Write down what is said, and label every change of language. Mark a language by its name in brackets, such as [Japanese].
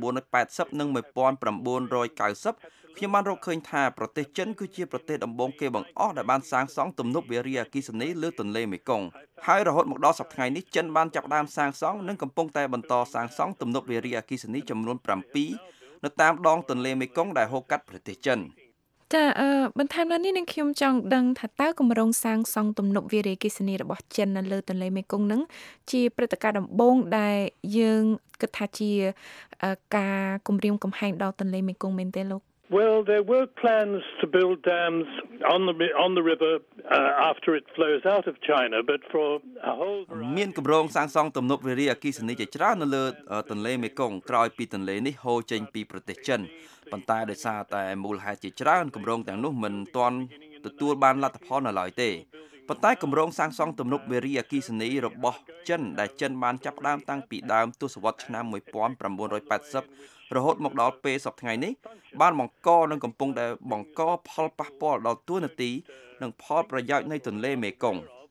[Khmer] 1980និង1990ខ្ញុំបានរកឃើញថាប្រទេសចិនគឺជាប្រទេសដំបូងគេបង្អស់ដែលបានសាងសង់ទំនប់វារីអគ្គិសនីលើទន្លេមេគង្គហើយរហូតមកដល់សប្តាហ៍នេះចិនបានចាប់ផ្ដើមសាងសង់និងកំពុងតែបន្តសាងសង់ទំនប់វារីអគ្គិសនីចំនួន7នៅតាមដងទន្លេមេគង្គដែលហូរកាត់ប្រទេសចិន ចា៎បន្ថែមនៅនេះនឹងខ្ញុំចង់ដឹងថាតើគម្រោងសាងសង់ទំនប់វារីអគ្គិសនីរបស់ចិននៅលើទន្លេមេគង្គនឹងជាព្រឹត្តិការណ៍ដំបូងដែលយើងគិតថាជាការគម្រាមកំហែងដល់ទន្លេមេគង្គមែនទេលោក [English] Well, there were plans to build dams on the river after it flows out of China, but for a whole variety. [Khmer] មានគម្រោងសាងសង់ទំនប់វារីអគ្គិសនីជាច្រើននៅលើទន្លេមេគង្គក្រោយពីទន្លេនេះហូរចេញពីប្រទេសចិនប៉ុន្តែដោយសារតែមូលហេតុជាច្រើនគម្រោងទាំងនោះមិនទាន់ទទួលបានលទ្ធផលនៅឡើយទេប៉ុន្តែគម្រោងសាងសង់ទំនប់វារីអគ្គិសនីរបស់ចិនដែលចិនបានចាប់ផ្ដើមតាំងពីដើមទសវត្សឆ្នាំ1980រហូតមកដល់ពេលសប្តាហ៍ថ្ងៃនេះបានបង្កនឹងកំពុងដែលបង្កផលប៉ះពាល់ដល់ទួលនទីនិងផលប្រយោជន៍នៃទន្លេមេគង្គ